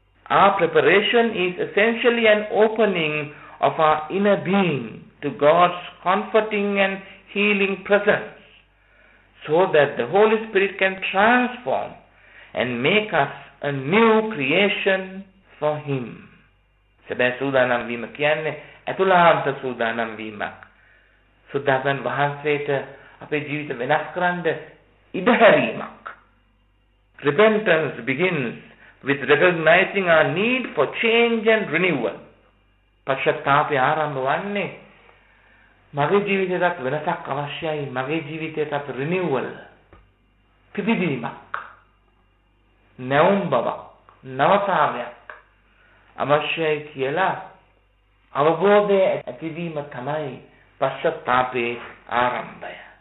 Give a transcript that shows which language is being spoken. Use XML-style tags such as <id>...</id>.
<en>Our preparation is essentially an opening of our inner being to God's comforting and healing presence so that the Holy Spirit can transform and make us a new creation for Him.</en> <si>සැබෑ සූදානම් වීම කියන්නේ ඇතුළාන්ත සූදානම් වීමක්. සුද්ධාතන් වහන්සේට අපේ ජීවිත වෙනස් කරන්න ඉඩහැරීමක්.</si> <en>Repentance begins with recognizing our need for change and renewal.</en> <si>පශ්චාත්තාපය ආරම්භ වන්නේ මගේ ජීවිතයට වෙනසක් අවශ්‍යයි, මගේ ජීවිතයට renewal, පිබිදීමක්, නැවුම් බවක්, නවතාවයක් අවශ්‍යයි කියලා අවබෝධය ඇතිවීම තමයි පශ්චාත්තාපයේ ආරම්භය.</si>